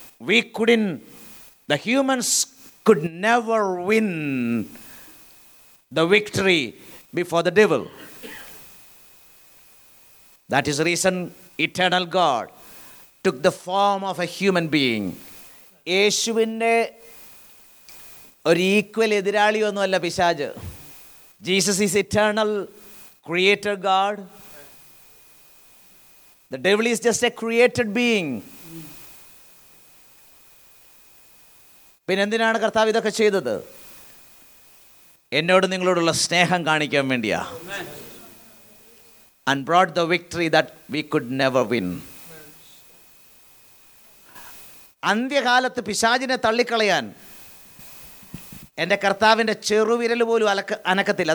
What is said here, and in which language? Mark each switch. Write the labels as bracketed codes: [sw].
[en] We couldn't, the humans could never win the victory before the devil. That is the reason eternal God took the form of a human being. [ml] യേശുവിൻ്റെ ഒരു equal എതിരാളിയൊന്നുമല്ല പിശാജ്. [en] Jesus is eternal creator God. The devil is just a created being. [ml] പിന്നെന്തിനാണ് കർത്താവ് ഇതൊക്കെ ചെയ്തത്? എന്നോട് നിങ്ങളോടുള്ള സ്നേഹം കാണിക്കാൻ വേണ്ടിയാ. [en] And brought the victory that we could never win. [ml] അന്ത്യകാലത്ത് പിശാചിനെ തള്ളിക്കളയാൻ എൻ്റെ കർത്താവിൻ്റെ ചെറുവിരൽ പോലും അനക്കത്തില്ല.